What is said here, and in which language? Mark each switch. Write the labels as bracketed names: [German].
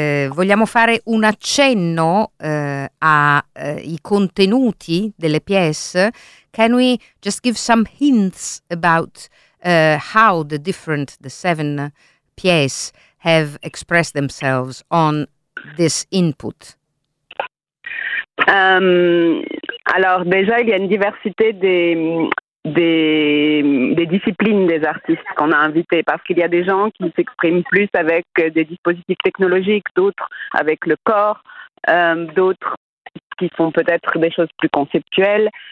[Italian] Vogliamo fare un accenno ai contenuti delle pièce. [English] Can we just give some hints about how the seven pièces have expressed themselves on this input? [French] Alors déjà, il y a une diversité des, des disciplines des artistes qu'on a invités, parce qu'il y a des gens qui s'expriment plus avec des dispositifs technologiques, d'autres avec le corps, d'autres qui font peut-être des choses plus conceptuelles.